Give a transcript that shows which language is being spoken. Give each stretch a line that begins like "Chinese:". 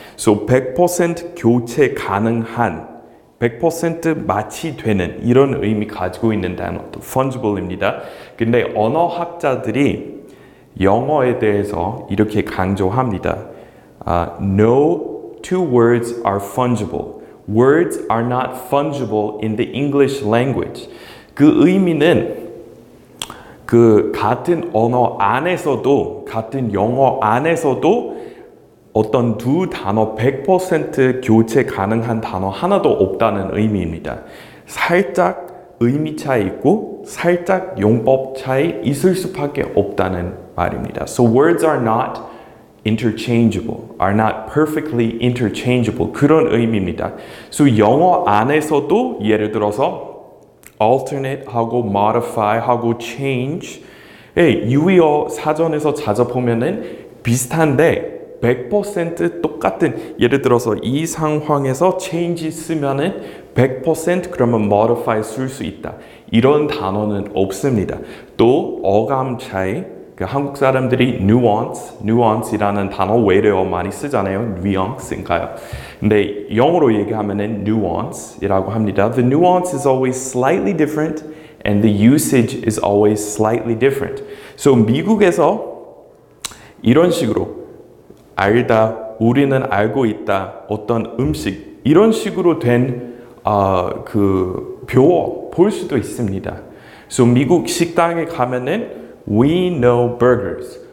Korean: So 100% 교체 가능한 100% 마치 되는 이런 의미 가지고 있는 단어도 fungible입니다. 근데 언어학자들이 영어에 대해서 이렇게 강조합니다.
English: No two words are fungible. Words are not fungible in the English language.
Korean: 그 의미는 그 같은 언어 안에서도 같은 영어 안에서도 어떤 두 단어 100% 교체 가능한 단어 하나도 없다는 의미입니다. 살짝 의미 차이 있고 살짝 용법 차이 있을 수밖에 없다는 말입니다.
English: So words are not interchangeable, are not perfectly interchangeable.
Korean: 그런 의미입니다. So 영어 안에서도 예를 들어서 alternate하고 modify하고 change 유의어 사전에서 찾아보면은 비슷한데 100% 똑같은 예를 들어서 이 상황에서 change 쓰면은 100% 그러면 modify 쓸 수 있다 이런 단어는 없습니다. 또 어감 차이 그 한국 사람들이 nuance이라는 단어 외래어 많이 쓰잖아요. nuance인가요? 근데 영어로 얘기하면은 nuance이라고 합니다.
English: The nuance is always slightly different and the usage is always slightly different.
Korean: So 미국에서 이런 식으로 알다, 우리는 알고 있다, 어떤 음식 이런 식으로 된 그 표어 볼 수도 있습니다.
English: So
Korean: 미국 식당에 가면은
English: We know burgers.